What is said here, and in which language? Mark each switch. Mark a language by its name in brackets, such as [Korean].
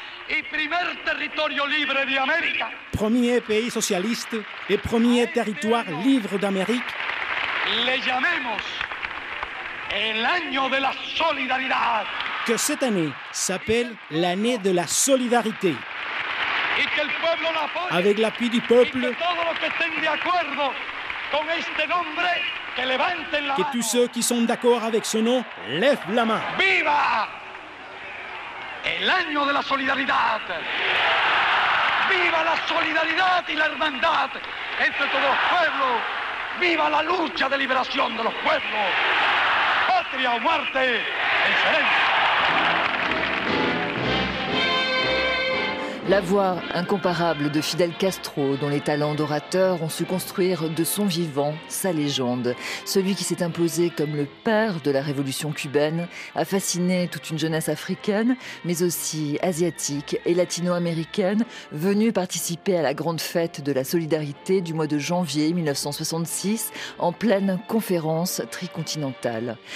[French] Et premier territoire libre d'Amérique. Premier pays socialiste et premier territoire libre d'Amérique. [Spanish] Le llamemos el año de la solidaridad. [French] Que cette année s'appelle l'année de la solidarité. Et que [Spanish] el pueblo la apoye. [French] Avec l'appui du peuple. [Spanish] Y que todos los que estén de acuerdo con este nombre que levanten la mano. [French] Que tous ceux qui sont d'accord avec ce nom lèvent la main. [Spanish] Viva! El año de la solidaridad. Viva la solidaridad y la hermandad entre todos los pueblos. Viva la lucha de liberación de los pueblos. Patria o muerte, excelencia. [French] La voix incomparable de Fidel Castro, dont les talents d'orateur ont su construire de son vivant sa légende. Celui qui s'est imposé comme le père de la révolution cubaine a fasciné toute une jeunesse africaine, mais aussi asiatique et latino-américaine, venue participer à la grande fête de la solidarité du mois de janvier 1966, en pleine conférence tricontinentale.